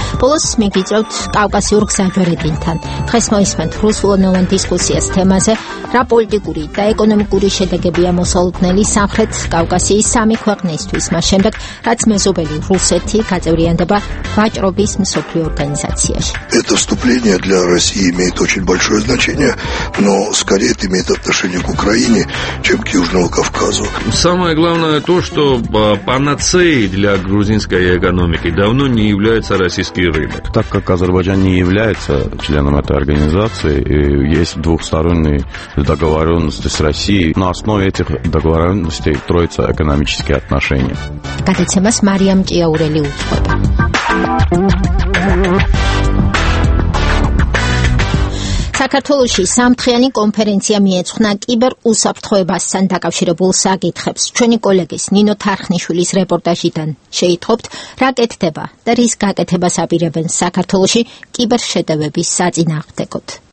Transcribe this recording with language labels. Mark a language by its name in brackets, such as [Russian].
[Georgian] ბოლოს მიგიწევთ კავკასიურ გზაჯვარედინთან. დღეს მოისმენთ რუსულ-ონლაინ დისკუსიას თემაზე, რა პოლიტიკური და ეკონომიკური შედეგებია მოსალოდნელი სამხრეთ კავკასიის სამი ქვეყნისთვის, მას შემდეგ, რაც მეზობელი რუსეთი გაწევრიანდება ვაჭრობის მსოფლიო ორგანიზაციაში. [Russian] Это вступление для России имеет очень большое значение, но скорее это имеет отношение к Украине, чем к Южному Кавказу. Самое главное то, что панацеей для грузинской экономики давно не является российский рынок. Так как Азербайджан не является членом этой организации, и есть двухсторонние договоренности с Россией. На основе этих договоренностей строятся экономические отношения. Как это тема с Марием Киаурели Уцкопа. [Georgian] საქართველოში სამთხიანი კონფერენცია მიეძღვნა კიბერ უსაფრთხოებასთან დაკავშირებულ საკითხებს. ჩვენი კოლეგის ნინო თარხნიშვილის რეპორტაჟიდან შეიტყობთ, რა კეთდება და რის გაკეთებას აპირებენ საქართველოში კიბერ შეტევების საწინააღმდეგოდ.